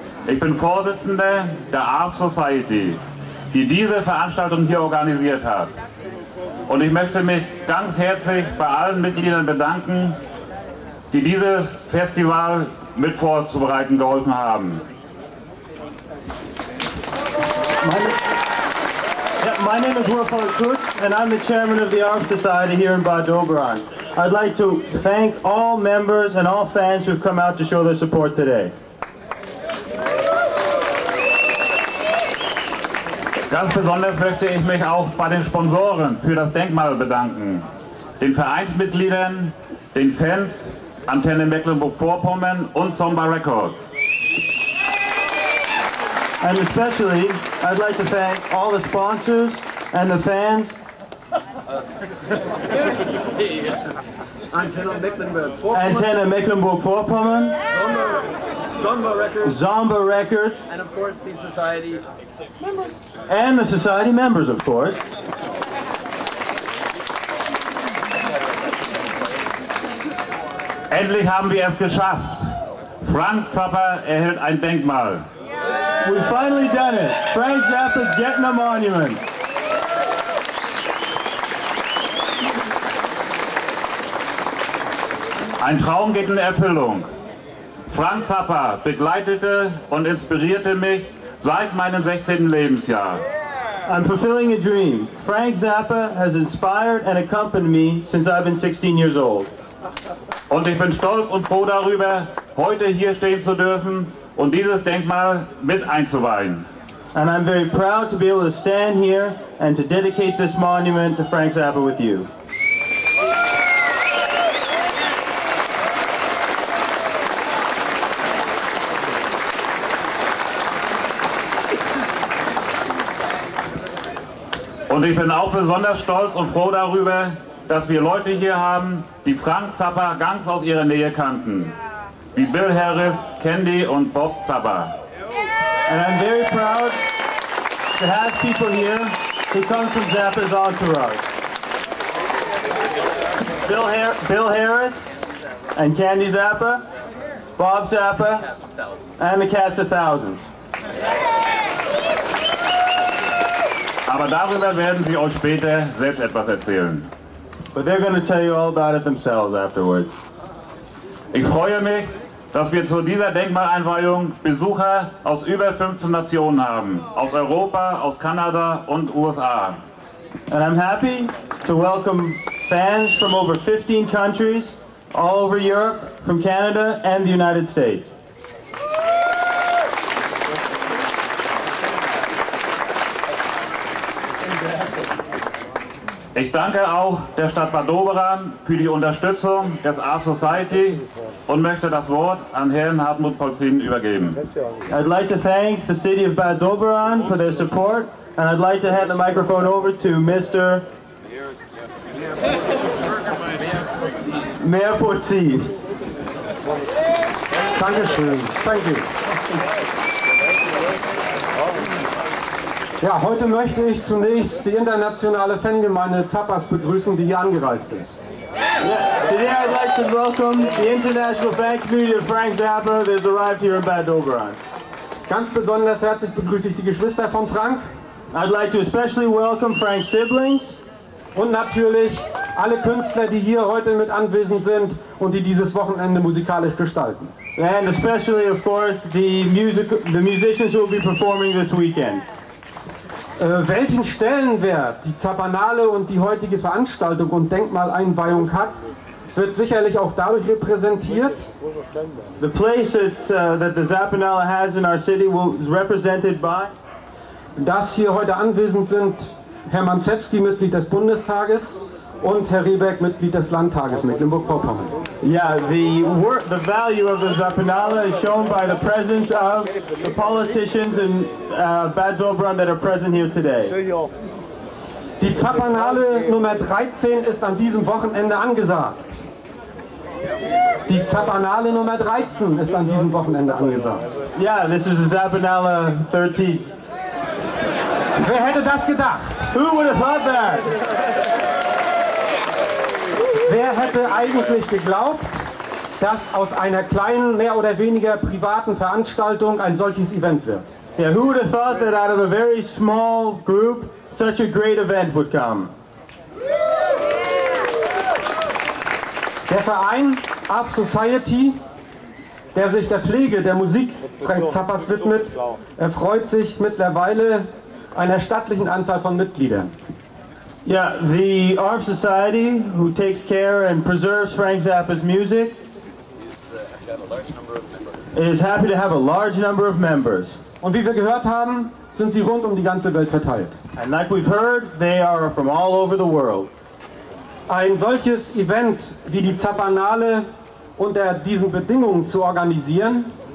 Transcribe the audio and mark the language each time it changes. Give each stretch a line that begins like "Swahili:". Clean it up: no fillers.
German: Ich bin Vorsitzender der ARF Society, die diese Veranstaltung hier organisiert hat. Und ich möchte mich ganz herzlich bei allen Mitgliedern bedanken, die dieses Festival mit vorzubereiten geholfen haben.
English: My name is Wolfhard Kutz, and I'm the chairman of the ARF Society here in Bad Doberan. I'd like to thank all members and all fans who've come out to show their support today.
German: Ganz besonders möchte ich mich auch bei den Sponsoren für das Denkmal bedanken. Den Vereinsmitgliedern, den Fans, Antenne Mecklenburg-Vorpommern und Zomba Records.
English: And especially, I'd like to thank all the sponsors and the fans. Antenne Mecklenburg-Vorpommern. Zomba Records. Zomba Records. And of course, the society members. And the society members, of course.
German: Endlich haben wir es geschafft. Frank Zappa erhält ein Denkmal.
English: We've finally done it. Frank Zappa's getting a monument.
German: Ein Traum geht in Erfüllung. Frank Zappa begleitete und inspirierte mich seit meinem 16. Lebensjahr.
English: I'm fulfilling a dream. Frank Zappa has inspired and accompanied me since I've been 16 years old.
German: Und ich bin stolz und froh darüber, heute hier stehen zu dürfen und dieses Denkmal mit einzuweihen.
English: And I'm very proud to be able to stand here and to dedicate this monument to Frank Zappa with you.
German: Und ich bin auch besonders stolz und froh darüber, dass wir Leute hier haben, die Frank Zappa ganz aus ihrer Nähe kannten. Wie Bill Harris, Candy und Bob Zappa.
English: And I'm very proud to have people here who come from Zappa's entourage. Bill Harris and Candy Zappa, Bob Zappa, and the Cast of Thousands.
German: Aber darüber werden sie euch später selbst etwas erzählen.
English: But they're going to tell you all about it themselves afterwards.
German: Ich freue mich, dass wir zu dieser Denkmaleinweihung Besucher aus über 15 Nationen haben, aus Europa, aus Kanada und USA.
English: And I'm happy to welcome fans from over 15 countries, all over Europe, from Canada and the United States.
German: Ich danke auch der Stadt Bad Doberan für die Unterstützung des ARF Society und möchte das Wort an Herrn Hartmut Polzin übergeben.
English: I'd like to thank the city of Bad Doberan for their support and I'd like to hand the microphone over to Mr. Mayor Polzin.
German: Dankeschön.
English: Thank you.
German: Ja, heute möchte ich zunächst die internationale Fangemeinde Zappas begrüßen, die hier angereist ist.
English: Yeah. Today I'd like to welcome the international fan community of Frank Zappa that has arrived here in Bad Doberan.
German: Ganz besonders herzlich begrüße ich die Geschwister von Frank.
English: I'd like to especially welcome Frank's siblings.
German: Und natürlich alle Künstler, die hier heute mit anwesend sind und die dieses Wochenende musikalisch gestalten.
English: And especially, of course, the musicians who will be performing this weekend.
German: Welchen Stellenwert die Zappanale und die heutige Veranstaltung und Denkmaleinweihung hat, wird sicherlich auch dadurch repräsentiert.
English: The place that the Zappanale has in our city was represented by,
German: dass hier heute anwesend sind Herr Manzewski, Mitglied des Bundestages, und Herr Rebeck, Mitglied des Landtages Mecklenburg-Vorpommern.
English: Yeah, the value of the Zappanale is shown by the presence of the politicians in Bad Doberan that are present here today.
German: Die Zappanale Nummer 13 ist an diesem Wochenende angesagt. Die Zappanale Nummer 13 ist an diesem Wochenende angesagt.
English: Yeah, this is the Zappanale 13.
German: Wer hätte das gedacht?
English: Who would have thought that?
German: Wer hätte eigentlich geglaubt, dass aus einer kleinen, mehr oder weniger privaten Veranstaltung ein solches Event wird?
English: Yeah, who would have thought that out of a very small group, such a great event would come?
German: Der Verein Art Society, der sich der Pflege der Musik Frank Zappas widmet, erfreut sich mittlerweile einer stattlichen Anzahl von Mitgliedern.
English: Yeah, the Arp Society, who takes care and preserves Frank Zappa's music, is happy to have a large number of members.
German: Und wie wir gehört haben, sind sie rund um die ganze Welt verteilt.
English: And like we've heard, they are from all over the world.
German: Ein solches Event wie die Zappanale unter diesen Bedingungen zu organisieren,